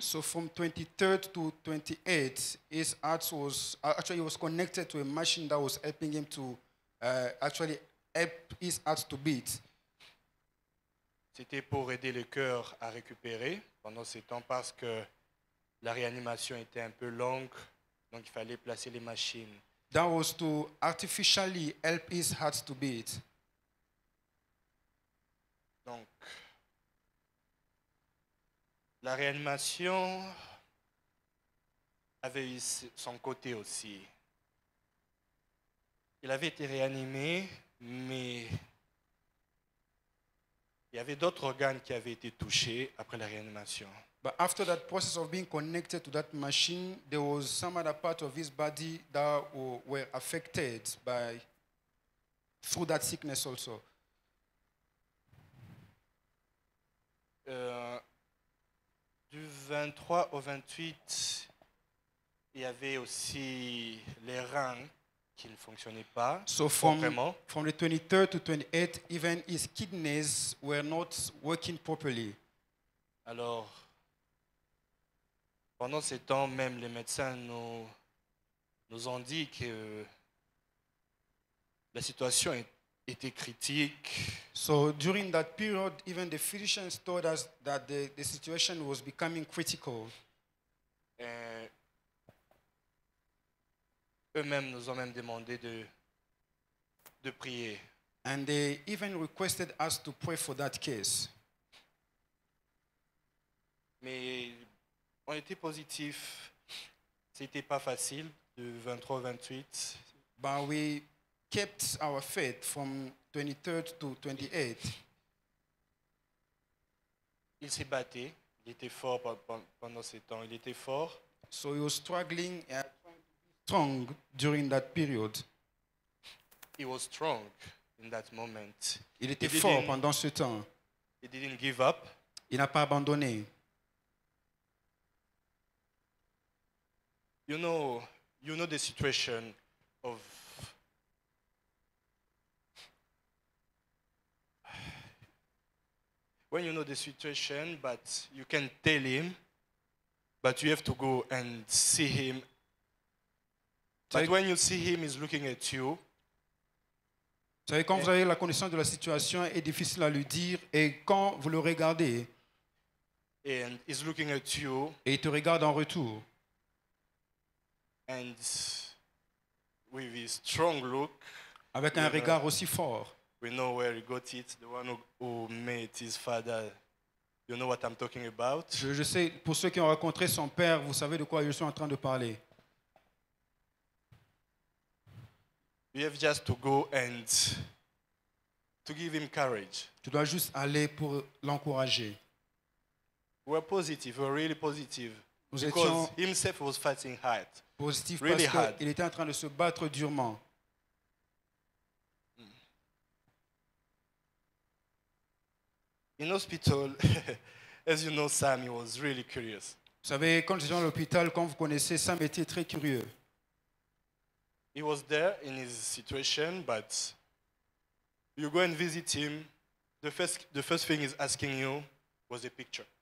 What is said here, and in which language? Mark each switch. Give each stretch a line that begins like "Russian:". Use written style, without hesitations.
English: So from 23rd to 28th, his heart was actually was connected to a machine that was helping him to actually help his heart to beat.
French: C'était pour aider le cœur à récupérer pendant ces temps parce que la réanimation était un peu longue, donc il fallait placer les machines.
English: That was to artificially help his heart to beat.
French: Donc, la réanimation avait eu son côté aussi. Il avait été réanimé, mais il y avait d'autres organes qui avaient été touchés après la réanimation.
English: But after that process of being connected to that machine, there was some other part of his body that were affected by through that sickness also.
French: Du 23 au 28, il y avait aussi les reins qui ne fonctionnaient pas.
English: So from the 23rd to 28th, even his kidneys were not working properly.
French: Alors, pendant ces temps, même les médecins nous ont dit que la situation étaient critiques.
English: So during that period, even the Philistines told us that the situation was becoming critical.
French: Eux-mêmes nous ont même demandé de prier.
English: And they even requested us to pray for that case.
French: Mais on était positif. C'était pas facile de 23-28.
English: But we kept our faith from 23rd to 28th.
French: Il s'est battu. Il était fort pendant ces temps. Il était fort.
English: So he was struggling and strong during that period. He was strong in that moment.
French: Il était fort pendant ce temps.
English: He didn't give up.
French: Il n'a pas abandonné.
English: You know the situation of when you know the situation, but you can tell him, but you have to go and see him. But when you see him, he's looking at you.
French: Vous savez, quand vous avez la connaissance de la situation, est difficile à lui dire, et quand vous le regardez,
English: and he's looking at you,
French: et il te regarde en retour,
English: and with his strong look,
French: avec un regard aussi fort,
English: we know where he got it, the one who made his father. You know what I'm talking about.
French: Je sais, pour ceux qui ont rencontré son père, vous savez de quoi je suis en train de parler.
English: You have just to go and to give him courage.
French: Tu dois juste aller pour l'encourager.
English: We're positive, we're really positive.
French: Nous
English: because himself was fighting hard. Positif really parce hard.
French: Qu'il était en train de se battre durement.
English: In hospital, as you know, Sam, he was really curious.
French: Vous savez, quand j'étais à l'hôpital, quand vous connaissez, Sam était très curieux.
English: He was there in his situation, but you go and visit him. The first thing he's asking you was a picture.